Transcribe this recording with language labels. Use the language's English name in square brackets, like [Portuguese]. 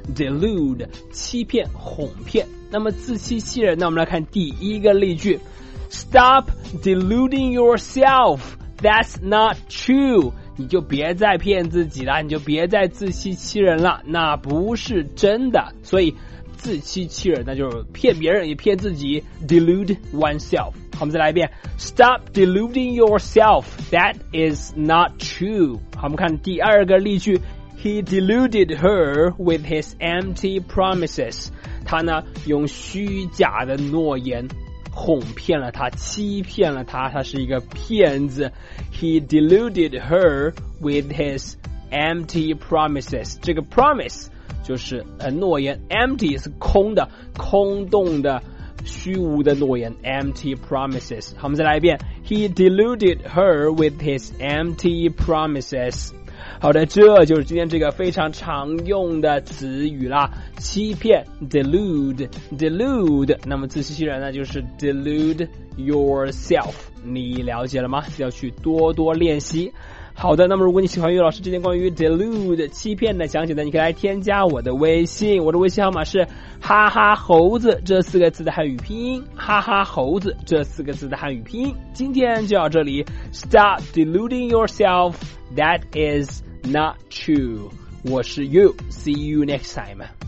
[Chinese] delude 欺骗哄骗。那么自欺欺人，那我们来看第一个例句。 [English] Stop deluding yourself. That's not true. [Chinese] 你就别再骗自己了，你就别再自欺欺人了，那不是真的。所以自欺欺人，那就是骗别人也骗自己。 Delude oneself. 好，我们再来一遍。 [English] Stop deluding yourself. [Chinese] That is not true. 好，我们看第二个例句。 [English] He deluded her with his empty promises. [Chinese] 他呢，用虚假的诺言哄骗了他，欺骗了他，他是一个骗子。 [English] He deluded her with his empty promises. [Chinese] 这个 promise 就是诺言， empty 是空的，空洞的，虚无的诺言， empty promises. 好，我们再来一遍。 [English] He deluded her with his empty promises. [Chinese] 好的，这就是今天这个非常常用的词语啦。欺骗 delude 那么自欺欺人呢，就是 delude yourself。你了解了吗？要去多多练习。好的，那么如果你喜欢于老师今天关于 delude 欺骗的讲解呢，你可以来添加我的微信。我的微信号码是哈哈猴子这四个字的汉语拼音，哈哈猴子这四个字的汉语拼音。今天就到这里。 [English] Stop deluding yourself. That is not true. 我是 you. See you next time.